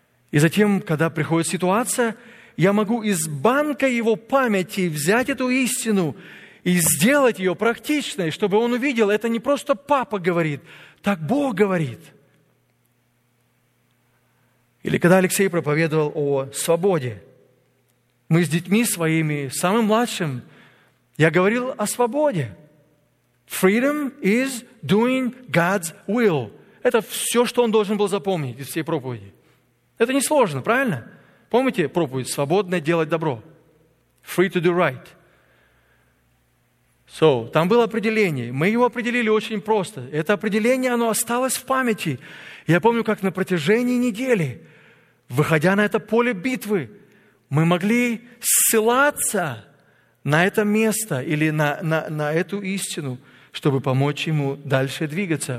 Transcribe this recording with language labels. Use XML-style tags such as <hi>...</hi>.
<ru>И затем, когда приходит ситуация, я могу из банка его памяти взять эту истину и сделать ее практичной, чтобы он увидел, это не просто папа говорит, так Бог говорит. Или когда Алексей проповедовал о свободе. Мы с детьми своими, самым младшим, я говорил о свободе.</ru> <en>Freedom is doing God's will.</en> <ru>Это все, что он должен был запомнить из всей проповеди. Это несложно, правильно? Помните проповедь «Свободное делать добро»?</ru> <en>Free to do right.</en> <ru>So, там было определение. Мы его определили очень просто. Это определение, оно осталось в памяти. Я помню, как на протяжении недели, выходя на это поле битвы, мы могли ссылаться на это место или на эту истину, чтобы помочь ему дальше двигаться.</ru>